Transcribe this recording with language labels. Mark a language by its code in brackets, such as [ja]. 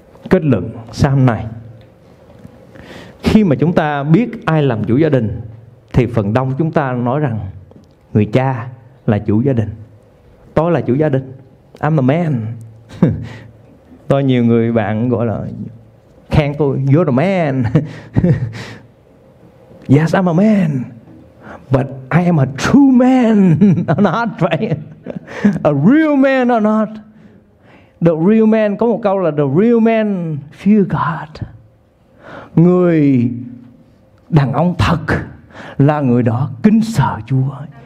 [vi] Kết luận sau này, khi mà chúng ta biết ai làm chủ gia đình thì phần đông chúng ta nói rằng người cha là chủ gia đình, tôi là chủ gia đình, [en] I'm the man. [vi] Tôi nhiều người bạn gọi là khen tôi, [en] you're the man. Yes, I'm a man, but I am a true man or not, right? A real man or not? The real man, [vi] có một câu là [en] the real man fear God. [vi] Người đàn ông thật là người đó kính sợ Chúa.